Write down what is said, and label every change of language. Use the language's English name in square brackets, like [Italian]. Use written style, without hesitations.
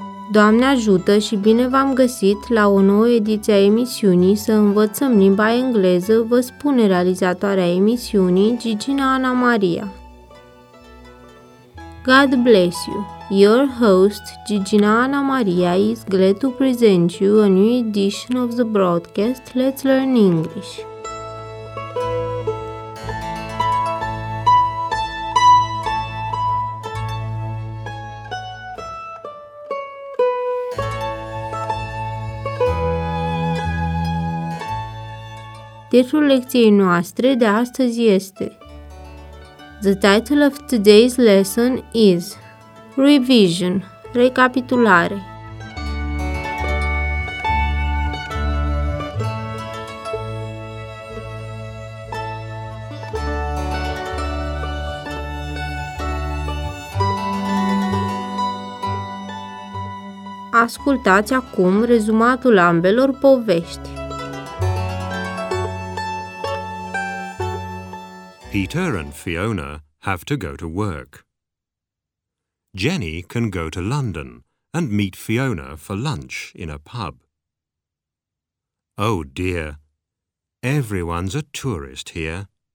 [Romanian] Doamne ajută și bine v-am găsit la o nouă ediție a emisiunii Să învățăm limba engleză, vă spune realizatoarea emisiunii, Gigina Ana Maria. [English] God bless you! Your host, Gigina Ana Maria, is glad to present you a new edition of the broadcast Let's Learn English. [Romanian] Titlul lecției noastre de astăzi este [English] The title of today's lesson is Revision, [Romanian] recapitulare. Ascultați acum rezumatul ambelor povești. [English] Peter and Fiona have to go to work. Jenny can go to London and meet Fiona for lunch in a pub. Oh dear, everyone's a tourist here.